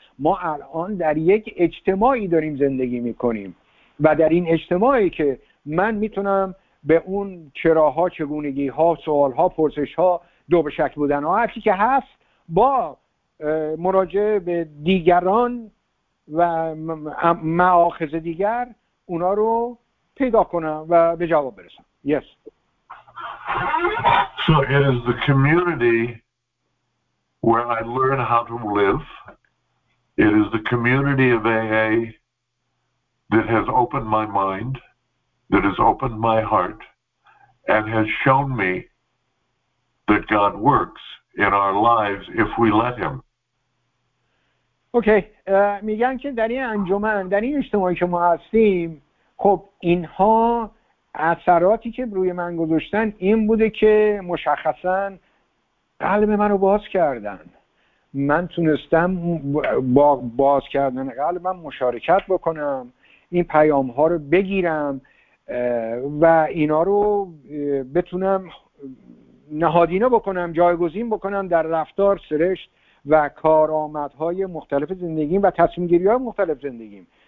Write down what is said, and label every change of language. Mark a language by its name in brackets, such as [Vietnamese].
[Persian] ما الان در یک اجتماعی داریم زندگی میکنیم و در این اجتماعی که من میتونم به اون چراها، چگونگی ها، سوال ها، پرسش ها، دو به شک بودن ها، هرچی که هست، با مراجعه به دیگران و مآخذ دیگر اونا رو پیدا کنم و به جواب برسم. [English] Yes. So it is the community where I learn how to live. It is the community of AA that has opened my mind, that has opened my heart, and has shown me that God works in our lives if we let him. Okay. [Persian] میگن که در این انجمن، در این اجتماعی که ما هستیم، خب اینها اثراتی که روی من گذاشتن این بوده که مشخصا قلب من رو باز کردن. من تونستم با باز کردن قلبم مشارکت بکنم، این پیام ها رو بگیرم و اینا رو بتونم نهادینه بکنم، جایگزین بکنم در رفتار، سرشت و کارآمدهای مختلف زندگیم و تصمیم گیری های مختلف زندگیم.